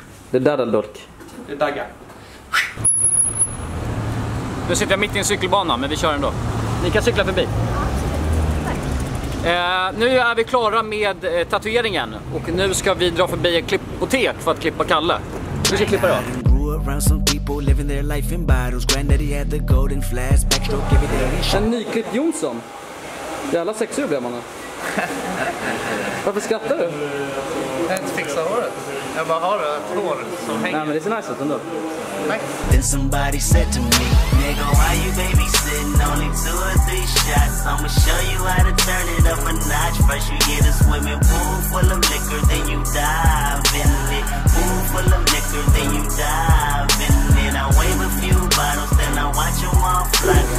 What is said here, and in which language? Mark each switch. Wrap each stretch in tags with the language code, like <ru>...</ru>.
<sv>Det är dadda dolk. Det är dagga. Nu sitter jag mitt i en cykelbana, men vi kör ändå. Ni kan cykla förbi. Nu är vi klara med tatueringen. Och nu ska vi dra förbi en klippotek för att klippa Kalle. Kanske klippa det av.</sv> <en>Around some people living their life in bottles. Granddaddy had the golden flask. Backstroke every day.</en> <sv>En nyklippt Jonsson. Jävla sexur blev man nu. Varför skrattar du? Jag inte fixar håret. Jag bara har ett hår som hänger. Nej, men det ser nice ut ändå.</sv> <en>Then somebody said to me, nigga, why you babysitting? Only two or three shots. I'ma show you how to turn it up a notch. First you get a swimming pool full of liquor, then you dive in it. Pool full of liquor, then you dive in it. I wave a few bottles, then I watch them all fly.</en>